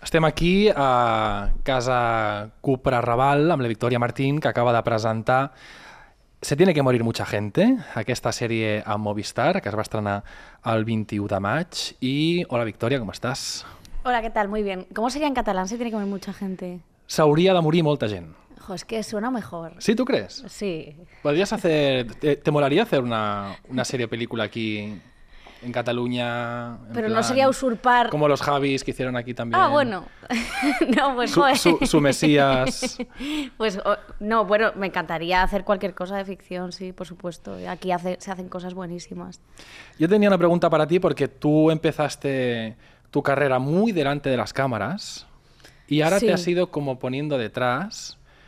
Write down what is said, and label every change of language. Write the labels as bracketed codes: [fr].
[ca] Estem aquí a Casa Cupra Raval amb la Victòria Martín, que acaba de presentar Se tiene que morir mucha gente, aquesta sèrie a Movistar, que es va estrenar el 21 de maig. I hola, Victòria, com estàs? Hola, què tal? [es] Muy bien. ¿Cómo sería en catalán Se tiene que morir mucha gente? [ca] S'hauria de morir molta gent. [es] Ojo, es que suena mejor. [ca] Sí, tu creus? Sí. Podries hacer... ¿Te molaria fer una sèrie o pel·lícula aquí? [es] En Cataluña... En Pero plan, no sería usurpar... Como los Javis que hicieron aquí también. Ah, bueno. No, pues joder. Su Mesías. Pues no, bueno, me encantaría hacer cualquier cosa de ficción, sí, por supuesto. Aquí se hacen cosas buenísimas. Yo tenía una pregunta para ti porque tú empezaste tu carrera muy delante de las cámaras y ahora sí. Te has ido como poniendo detrás.